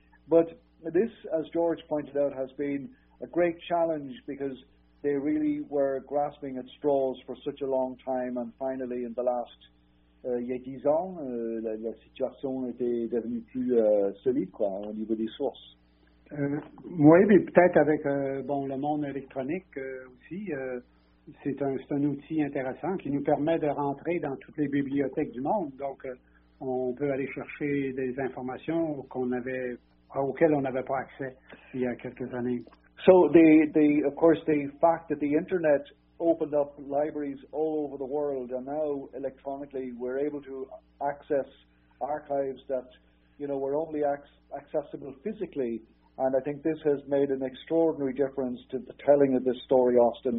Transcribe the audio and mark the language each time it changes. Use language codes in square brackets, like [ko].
[en] But this, as George pointed out, has been a great challenge because they really were grasping at straws for such a long time, and finally, in the last [fr] dix ans, la situation était devenue plus solide, quoi, au niveau des sources. Oui, mais peut-être avec le monde électronique aussi, c'est un outil intéressant qui nous permet de rentrer dans toutes les bibliothèques du monde. Donc, on peut aller chercher des informations auxquelles on n'avait pas accès il y a quelques années. [en] So the of course the fact that the internet opened up libraries all over the world, and now electronically we're able to access archives that, you know, were only accessible physically. And I think this has made an extraordinary difference to the telling of this story, Austin.